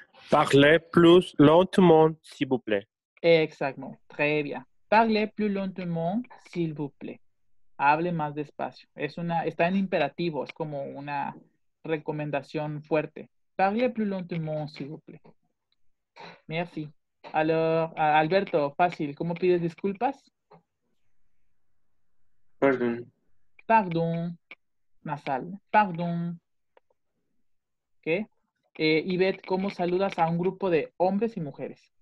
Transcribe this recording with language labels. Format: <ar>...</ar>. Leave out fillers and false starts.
<fr>Parle plus lentement, s'il vous plaît. Exacto, très bien. Parle plus lentement, s'il vous plaît.</fr> <es>Hable más despacio. Es una, está en imperativo, es como una recomendación fuerte.</es> <fr>Parle plus lentement, s'il vous plaît. Merci.</fr> <es>Alors, Alberto, fácil, ¿cómo pides disculpas?</es> <fr>Pardon. Pardon. Nasal. Pardon. ¿Qué?</fr> <es>Yvette, ¿cómo saludas a un grupo de hombres y mujeres?</es>